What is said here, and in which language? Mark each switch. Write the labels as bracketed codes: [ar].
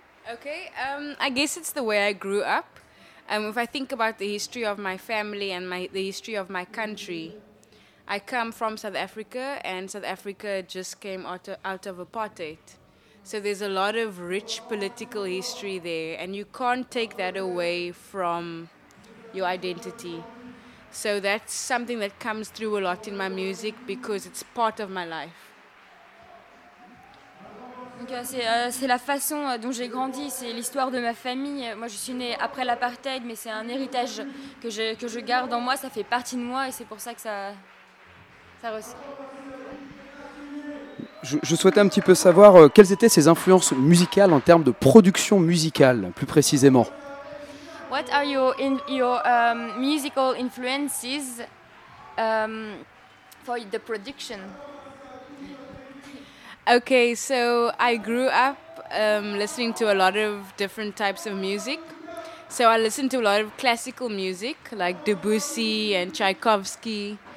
[en] Okay, I guess it's the way I grew up. If I think about the history of my family and the history of my country, I come from South Africa and South Africa just came out of apartheid. So there's a lot of rich political history there and you can't take that away from your identity. So that's something that comes through a lot in my music because it's part of my life. OK, [fr] c'est la façon dont j'ai grandi, c'est l'histoire de ma famille. Moi, je suis née après l'apartheid, mais c'est un héritage que je garde en moi, ça fait partie de moi et c'est pour ça que ça ressort. Je souhaitais un petit peu savoir quelles étaient ses influences musicales en termes de production musicale, plus précisément. [en] What are your musical influences for the production? Okay, so I grew up listening to a lot of different types of music. So I listened to a lot of classical music like Debussy and Tchaikovsky.